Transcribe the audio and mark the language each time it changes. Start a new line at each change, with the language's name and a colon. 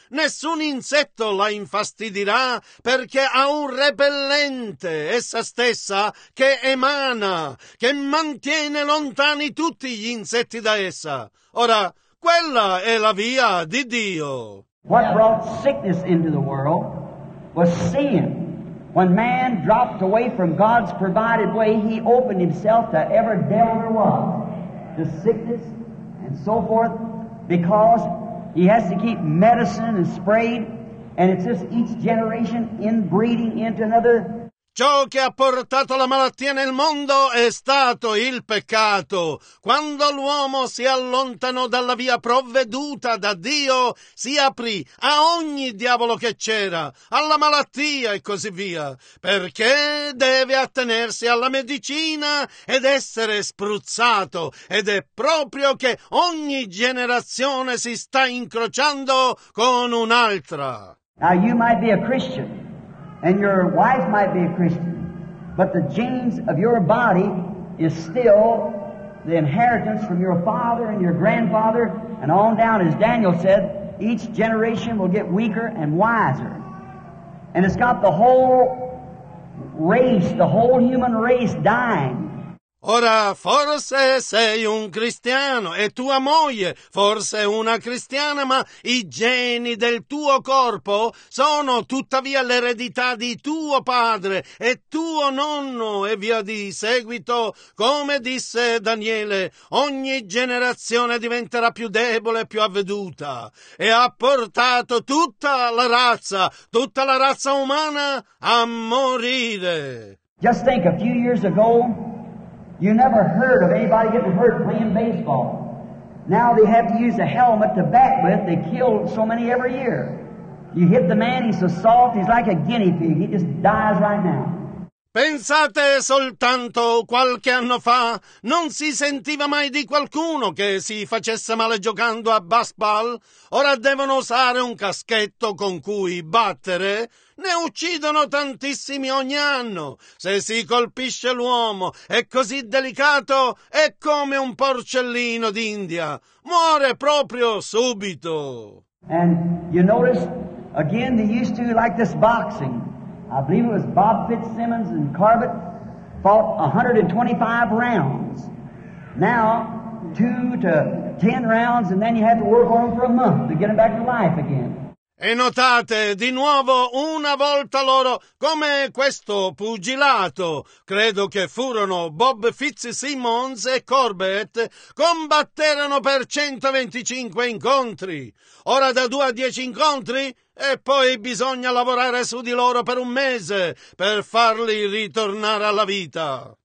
Italian: Nessun insetto la infastidirà perché ha un repellente, essa stessa, che emana, che mantiene lontani tutti gli insetti da essa. Ora, quella è la via di Dio.
English: What brought sickness into the world was sin. When man dropped away from God's provided way, he opened himself to every devil there was, to sickness and so forth, because he has to keep medicine and sprayed, and it's just each generation inbreeding into another.
Italian: Ciò che ha portato la malattia nel mondo è stato il peccato. Quando l'uomo si allontanò dalla via provveduta da Dio, si aprì a ogni diavolo che c'era, alla malattia e così via. Perché deve attenersi alla medicina ed essere spruzzato. Ed è proprio che ogni generazione si sta incrociando con un'altra.
English: Now you might be a Christian, and your wife might be a Christian, but the genes of your body is still the inheritance from your father and your grandfather, and on down, as Daniel said, each generation will get weaker and wiser. And it's got the whole race, the whole human race dying.
Italian: Ora, forse sei un cristiano e tua moglie forse una cristiana, ma i geni del tuo corpo sono tuttavia l'eredità di tuo padre e tuo nonno e via di seguito. Come disse Daniele, ogni generazione diventerà più debole e più avveduta, e ha portato tutta la razza umana a morire.
English: Just think, a few years ago, you never heard of anybody getting hurt playing baseball. Now they have to use a helmet to bat with. They kill so many every year. You hit the man, he's so soft, he's like a guinea pig. He just dies right now.
Italian: Pensate soltanto, qualche anno fa non si sentiva mai di qualcuno che si facesse male giocando a baseball. Ora devono usare un caschetto con cui battere. Ne uccidono tantissimi ogni anno. Se si colpisce l'uomo, è così delicato, è come un porcellino d'India. Muore proprio subito.
English: And you notice, again, they used to like this boxing. I believe it was Bob Fitzsimmons and Corbett fought 125 rounds. Now, 2 to 10 rounds, and then you have to work on them for a month to get them back to life again.
Italian: E notate, di nuovo, una volta loro, come questo pugilato, credo che furono Bob Fitzsimmons e Corbett, combatterono per 125 incontri. Ora da 2 a 10 incontri, e poi bisogna lavorare su di loro per un mese per farli ritornare alla vita.